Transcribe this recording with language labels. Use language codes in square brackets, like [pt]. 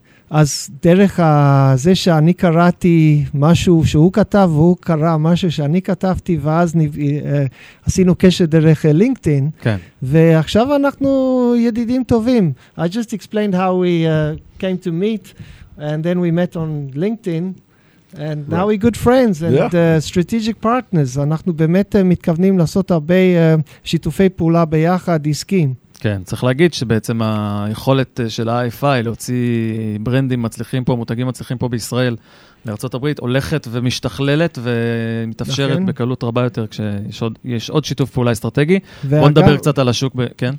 [he] אז דרך זה שאני קראתי משהו שהוא כתב, והוא קרא משהו שאני כתבתי, ואז עשינו קשר דרך לינקדאין. כן. ועכשיו אנחנו ידידים טובים. [en] I just explained how we came to meet, and then we met on LinkedIn, and right. Now we're good friends and strategic partners. [he] אנחנו באמת מתכוונים לעשות הרבה שיתופי פעולה ביחד, עסקים. כן, צריך להגיד שבעצם היכולת של ה-IFI להוציא ברנדים מצליחים פה, מותגים מצליחים פה בישראל, לארצות הברית, הולכת ומשתכללת ומתאפשרת לכן. בקלות רבה יותר, כשיש עוד שיתוף פעולה אסטרטגי. ואגב, בוא נדבר קצת על השוק, כן?